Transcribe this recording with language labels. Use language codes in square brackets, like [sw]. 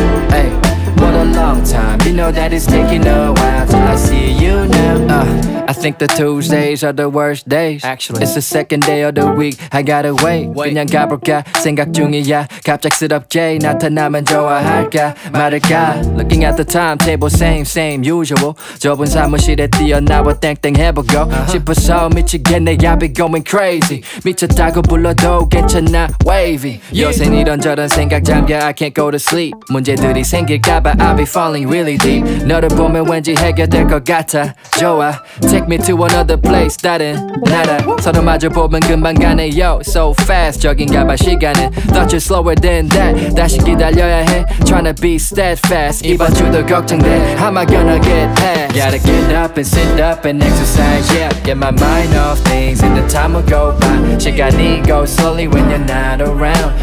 [en] Hey, what a long time. You know that it's taking a while till I see you now. I think the Tuesdays are the worst days. Actually, it's the second day of the week, I gotta wait. [ko] 그냥 가볼까 생각 중이야. 갑작스럽게 나타나면 좋아할까 말할까. [en] Looking at the timetable, same same usual. [ko] 좁은 사무실에 뛰어나와 땡땡 해보고 싶어서 미치겠네. [en] I be going crazy. [ko] 미쳤다고 불러도 괜찮아 [en] wavy. [ko] 요새는 이런저런 생각 잠겨. [en] I can't go to sleep. [ko] 문제들이 생길까봐 [en] I be falling really deep. [ko] 너를 보면 왠지 해결될 것 같아 좋아. [en] Take me to another place, [ko] 다른 나라. 서로 마주 보면 금방 가네, [en] yo. So fast, [ko] 저긴가 봐 시간은. [en] Thought you're slower than that. [ko] 다시 기다려야 해, [en] tryna be steadfast. [ko] 이번 주도 걱정돼, [en] how am I gonna get past? Gotta get up and sit up and exercise, yeah. Get my mind off things and the time will go by. [ko] 시간이 [en] go slowly when you're not around.